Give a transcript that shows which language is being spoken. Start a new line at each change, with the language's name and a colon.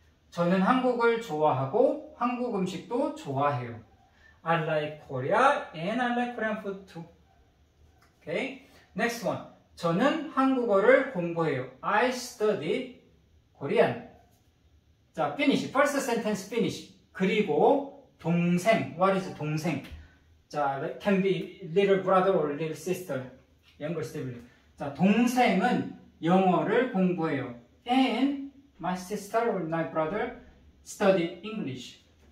Korean: 저는 한국을 좋아하고, 한국 음식도 좋아해요.
English: I like Korea and I like Korean food too. Okay, next one.
Korean: 저는 한국어를 공부해요.
English: I study Korean. 자, finish. First sentence finish. 그리고 동생. What is 동생? 자, can be little brother or little sister. Younger sibling.
Korean: 자, 동생은 영어를 공부해요.
English: And my sister or my brother study English.